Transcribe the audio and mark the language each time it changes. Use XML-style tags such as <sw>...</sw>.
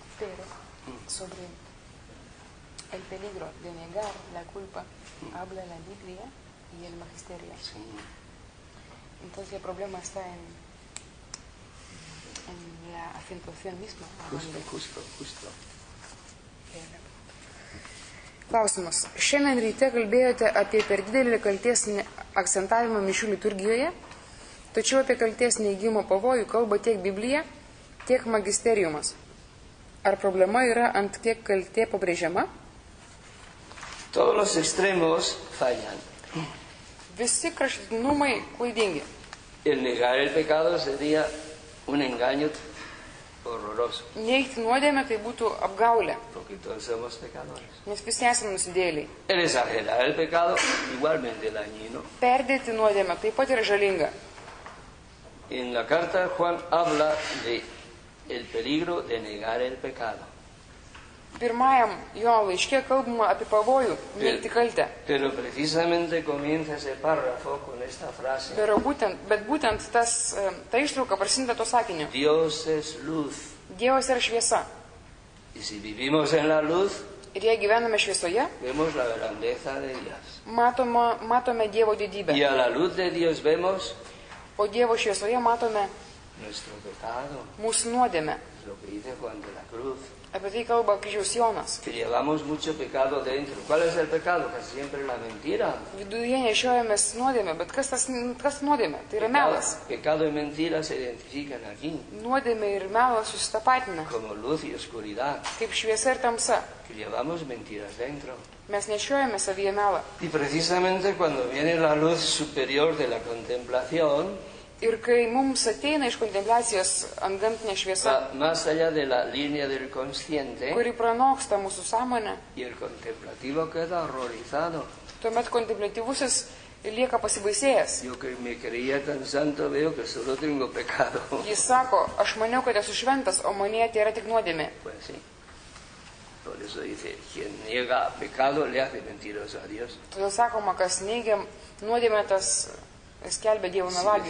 <es>Pero sobre el peligro de negar la culpa, habla la Biblia y el Magisterio. Sí. Entonces el problema está en la acentuación misma. Justo.</es> <lt>Klausimas. Šiandien ryte kalbėjote apie per didelį kalties akcentavimą mišių liturgijoje, tačiau apie kalties neigimo pavojų kalba tiek Biblija, tiek magisteriumas. Ar problema yra ant kiek kaltė pabrėžiama?</lt> <es>Todos los extremos fallan.</es> <lt>Visi kraštutinumai klaidingi.</lt> <es>El negar el pecado sería un engaño horroroso.</es> <lt>Neigti nuodėmę tai būtų apgaulė.</lt> <es>Porque todos somos pecadores.</es> <lt>Nes visi esame nusidėliai.</lt> <es>El exagerar el pecado igualmente dañino.</es> <lt>Perdėti nuodėmę taip pat yra žalinga.</lt> <es>En la carta Juan habla de el peligro de negar el pecado.</es> <lt>Pirmajam jo laiške kalbama apie pavojų neigti kaltę.</lt> <es>Pero precisamente comienza ese párrafo con esta frase.</es> <lt>Bet būtent ta ištrauka prasideda tuo sakiniu.</lt> <es>Dios es luz.</es> <lt>Dievas yra šviesa.</lt> <es>Y si vivimos en la luz.</es> <lt>Ir jei gyvename šviesoje.</lt> <es>Vemos la grandeza de Dios.</es> <lt>Matome Dievo didybę.</lt> <es>Y a la luz de Dios vemos.</es> <lt>O Dievo šviesoje matome.</lt> <es>Nuestro pecado.</es> <lt>Mūsų nuodėmę.</lt> <es>Lo que dice Juan de la Cruz.</es> <lt>Apie tai kalba kryžiaus Jonas.</lt> <es>Llevamos mucho pecado dentro. ¿Cuál es el pecado? Que siempre la mentira.</es> <lt>Viduje nešiojamės nuodėmę, bet kas nuodėmė? Tai yra melas.</lt> <es>Pecado y mentira se identifican aquí.</es> <lt>Nuodėmė ir melas susitapatina.</lt> <es>Como luz y oscuridad.</es> <lt>Kaip šviesa ir tamsa.</lt> <es>Llevamos mentiras dentro.</es> <lt>Mes nešiojame savyje melą.</lt> <es>Y precisamente cuando viene la luz superior de la contemplación.</es> <lt>Ir kai mums ateina iš kontempliacijos antgamtinė šviesa,</lt> <es>más allá de la línea del consciente,</es> <lt>kuri pranoksta mūsų sąmonę,</lt> <es>y el contemplativo queda horrorizado.</es> <lt>Tuomet kontemplatyvusis lieka pasibaisėjęs.</lt> <es>Yo que me creía tan santo veo que solo tengo pecado.</es> <lt>Jis sako, aš maniau, kad esu šventas, o manyje tai yra tik nuodėmė.</lt> <es>Pues sí. Por eso dice, quien niega pecado le hace mentiroso a Dios.</es> <lt>Todo sacoma kas negiam nuodėmė tas skelbia Dievo melagį.</lt>